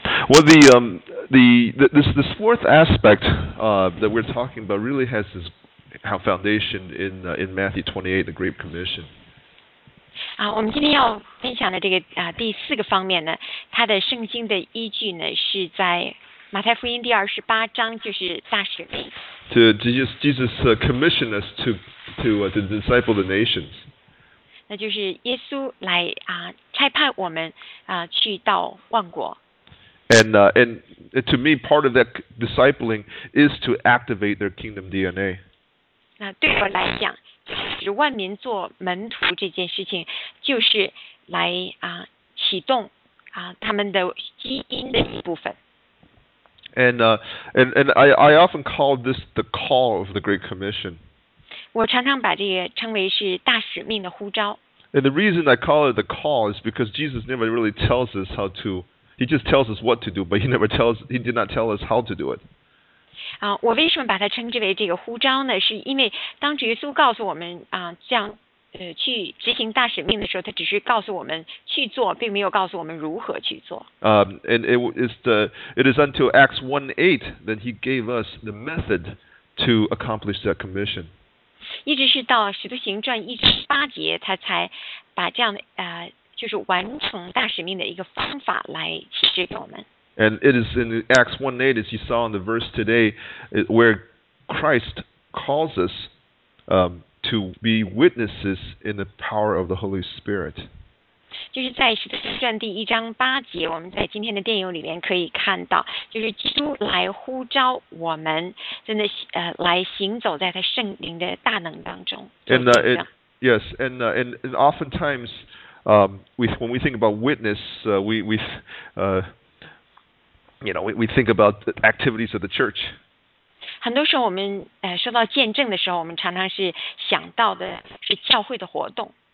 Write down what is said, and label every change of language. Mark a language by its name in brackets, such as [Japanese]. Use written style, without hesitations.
[English] Well, this fourth aspect that we're talking about really has this. How foundation in Matthew 28, the Great Commission. [Chinese] 啊，我们今天要分享的这个啊第四个方面呢，它的圣经的依据呢是在马太福音第二十八章，就是大使命。 [English] Jesus commissioned us to disciple the nations. [Chinese] 那就是耶稣来啊差派我们啊去到万国。 [English] And to me, part of that discipling is to activate their kingdom DNA. [Chinese] 那对我来讲，使万民做门徒这件事情，就是来啊启动啊他们的基因的一部分。 [English] And I often call this the call of the Great Commission. [Chinese] 我常常把这个称为是大使命的呼召。 [English] And the reason I call it the call is because Jesus never really tells us how to. He just tells us what to do, but he did not tell us how to do it. [Chinese] 我为什么把它称之为这个呼召呢？是因为当主耶稣告诉我们这样去执行大使命的时候，他只是告诉我们去做，并没有告诉我们如何去做。 [English] And it is until Acts 1:8 that he gave us the method to accomplish that commission. [Chinese] 一直是到《使徒行传》1:8，他才把这样的就是完成大使命的一个方法来启示给我们。 [English] And it is in Acts 1:8, as you saw in the verse today, where Christ calls us to be witnesses in the power of the Holy Spirit. [Chinese] 就是在《使徒行传》1:8，我们在今天的电影里面可以看到，就是基督来呼召我们，真的来行走在他圣灵的大能当中。 [English] And yes, and oftentimes, when we think about witness, we think about the activities of the church. [Chinese] 很多时候我们说到见证的时候，我们常常是想到的是教会的活动。